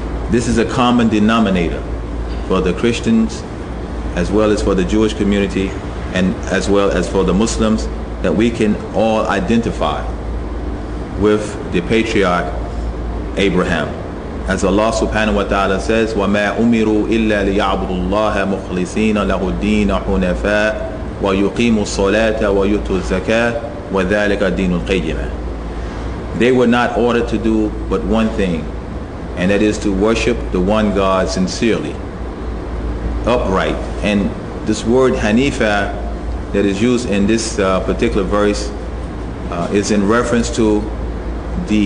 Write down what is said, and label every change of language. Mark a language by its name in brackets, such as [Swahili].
[English] This is a common denominator for the Christians, as well as for the Jewish community, and as well as for the Muslims, that we can all identify with the patriarch Abraham. As Allah subhanahu wa ta'ala says, [Arabic] وَمَا أُمِرُوا إِلَّا لِيَعْبُدُ اللَّهَ مُخْلِصِينَ لَهُ الدِّينَ حُنَفَاءَ وَيُقِيمُوا الصَّلَاةَ وَيُؤْتُوا الزَّكَاةَ وَذَلِكَ الدِّينُ الْقَيِّمَةَ. [English] They were not ordered to do but one thing, and that is to worship the one God sincerely, upright. And this word Hanifa that is used in this particular verse is in reference to the